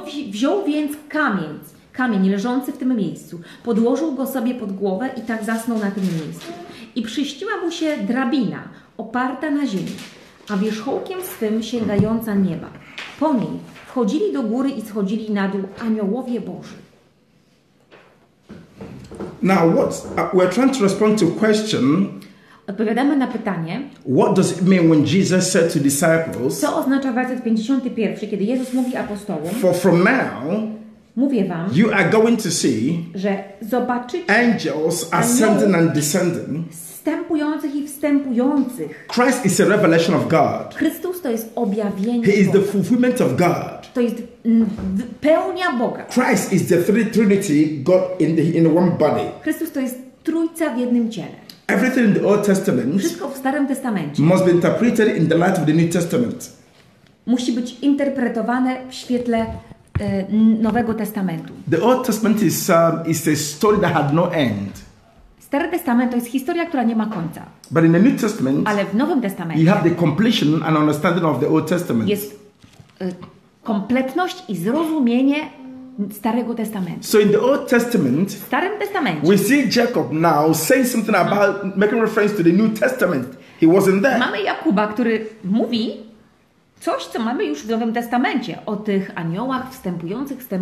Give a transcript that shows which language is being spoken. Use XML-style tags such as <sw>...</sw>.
<pl>Wziął więc kamień leżący w tym miejscu, podłożył go sobie pod głowę i tak zasnął na tym miejscu. I przyściła mu się drabina oparta na ziemi, a wierzchołkiem swym sięgająca nieba. Po niej chodzili do góry i schodzili na dół aniołowie Boży.</pl> <en>Now what we're trying to respond to question.</en> <pl>Odpowiadamy na pytanie.</pl> <en>What does it mean when Jesus said to disciples?</en> <pl>Co oznacza werset 51, kiedy Jezus mówi apostołom?</pl> <en>For from now,</en> <pl>mówię wam,</pl> <en>you are going to see,</en> <pl>że zobaczycie</pl> <en>angels ascending and descending.</en> <pl>Wstępujących i wstępujących.</pl> <en>Christ is a revelation of God.</en> <pl>Chrystus to jest objawienie</pl> <en>He is the fulfillment of God.</en> <pl>To jest pełnia Boga.</pl> <en>Christ is the Trinity God in one body.</en> <pl>Chrystus to jest Trójca w jednym ciele.</pl> <en>Everything in the Old Testament</en> <pl>Wszystko w Starym Testamencie</pl> <en>must be interpreted in the light of the New Testament.</en> <pl>Musi być interpretowane w świetle Nowego Testamentu.</pl> <en>The Old Testament is a story that had no end.</en> <pl>Stary Testament to jest historia, która nie ma końca.</pl> <en>But in the New Testament,</en> <pl>ale w Nowym Testamencie</pl> <en>you have the completion and understanding of the Old Testament.</en> <pl>Jest kompletność i zrozumienie Starego Testamentu.</pl> <en>So in the Old Testament,</en> <pl>w Starym Testamencie,</pl> <en>we see Jacob now saying something about making reference to the New Testament. He wasn't there.</en> <pl>Mamy Jakuba, który mówi coś, co mamy już w Nowym Testamencie o tych aniołach wstępujących.</pl>